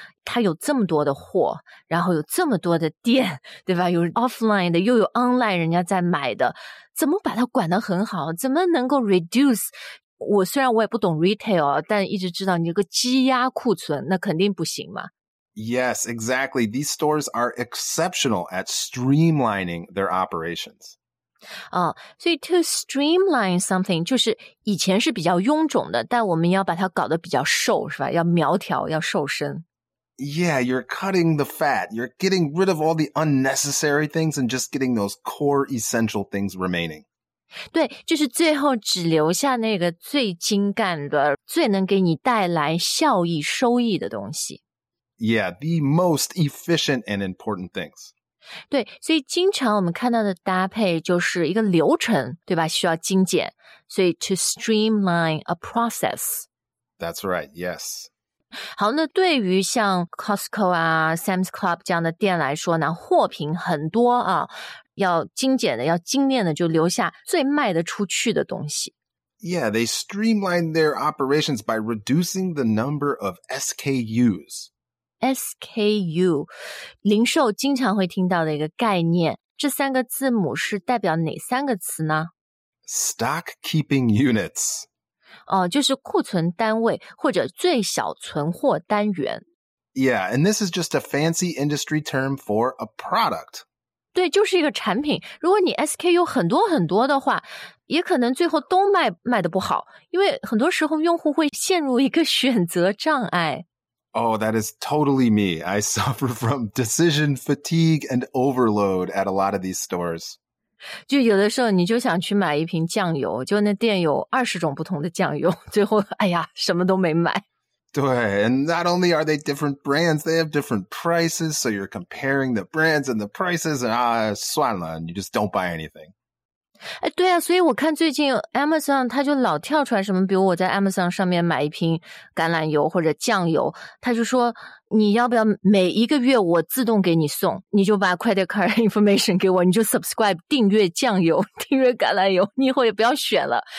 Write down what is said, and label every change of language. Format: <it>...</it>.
<zh>它有这么多的货，然后有这么多的店，对吧？有 offline 的，又有 online 人家在买的，怎么把它管得很好？怎么能够 reduce？我虽然我也不懂 retail， 但一直知道你这个积压库存，那肯定不行嘛。</zh> <en>Yes, exactly. These stores are exceptional at streamlining their operations. Oh, so to streamline something,</en> <zh>就是以前是比较臃肿的，但我们要把它搞得比较瘦，是吧？要苗条，要瘦身。</zh> <en>Yeah, you're cutting the fat. You're getting rid of all the unnecessary things and just getting those core essential things remaining.</en> <zh>对，就是最后只留下那个最精干的，最能给你带来效益、收益的东西。</zh> <en>Yeah, the most efficient and important things.</en> <zh>对，所以经常我们看到的搭配就是一个流程，对吧？需要精简，所以</zh> <en>to streamline a process. That's right, yes.</en> <zh>好，那对于像 Costco 啊、Sam's Club 这样的店来说呢，货品很多啊，要精简的、要精炼的，就留下最卖得出去的东西。</zh> <en>Yeah, they streamline their operations by reducing the number of SKUs.</en> <zh>SKU, 零售经常会听到的一个概念，这三个字母是代表哪三个词呢</zh> <en>?Stock keeping units.</en> <zh>哦，就是库存单位或者最小存货单元。</zh> <en>Yeah, and this is just a fancy industry term for a product.</en> <zh>对，就是一个产品。如果你 SKU 很多很多的话，也可能最后都卖得不好，因为很多时候用户会陷入一个选择障碍。</zh> <en>Oh, that is totally me. I suffer from decision fatigue and overload at a lot of these stores.</en> <zh>就有的时候你就想去买一瓶酱油，就那店有20种不同的酱油，最后哎呀，什么都没买。</zh> <en>对 ，and not only are they different brands, they have different prices. So you're comparing the brands and the prices, and</en> <zh>算了</zh> <en>，you just don't buy anything.</en> <zh>哎，对啊，所以我看最近 Amazon 它就老跳出来什么，比如我在 Amazon 上面买一瓶橄榄油或者酱油，它就说你要不要每一个月我自动给你送，你就把</zh> <en>credit card information</en> <zh>给我，你就 subscribe 订阅酱油，订阅橄榄油，你以后也不要选了。</zh>